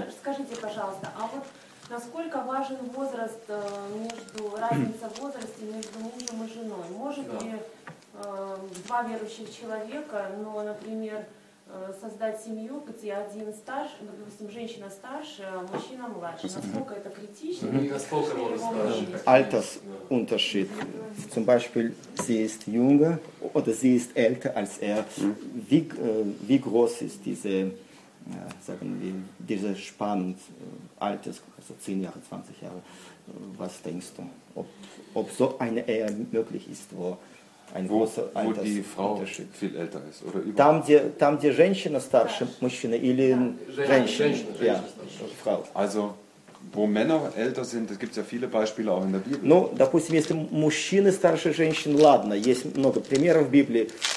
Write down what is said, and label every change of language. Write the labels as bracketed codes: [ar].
[ru] Скажите, пожалуйста, а вот насколько важен возраст, между разница в возрасте между мужем и женой? Может ли два верующих человека, ну, например, создать семью, где один старше, допустим, женщина старше, а мужчина младше? Насколько это критично? И насколько возраст старше? [de] Альтерс Унтершит. Zum Beispiel, sie ist jünger oder sie ist älter als er. Wie groß ist diese, sagen wir, diese Spannung, Alters, also 10 Jahre, 20 Jahre? Was denkst du, ob so eine Ehe möglich ist, wo ein großer Altersunterschied? Wo die Frau viel älter ist? Oder [ru] Там, где Женщина старше мужчины или Женщина [de] ja, Frau. Also, wo Männer älter sind, das gibt es ja viele Beispiele auch in der Bibel. [ru] Ну, допустим, если мужчины старше женщин, ладно, есть много примеров в Библии.